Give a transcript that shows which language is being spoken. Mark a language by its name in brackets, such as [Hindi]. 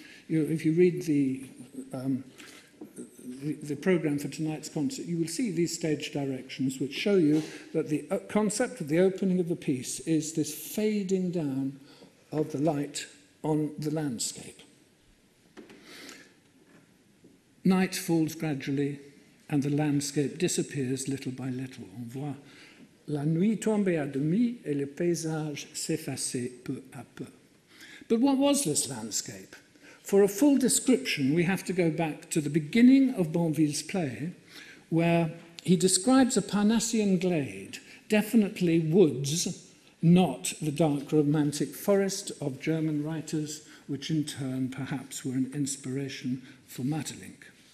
[English] If you read the programme for tonight's concert, you will see these stage directions which show you that the concept of the opening of the piece is this fading down of the light on the landscape. Night falls gradually and the landscape disappears little by little. [French] On voit la nuit tomber à demi et le paysage s'effacer peu à peu. [English] But what was this landscape? For a full description, we have to go back to the beginning of Banville's play, where he describes a Parnassian glade, definitely woods, not the dark romantic forest of German writers, which in turn perhaps were an inspiration for Maeterlinck.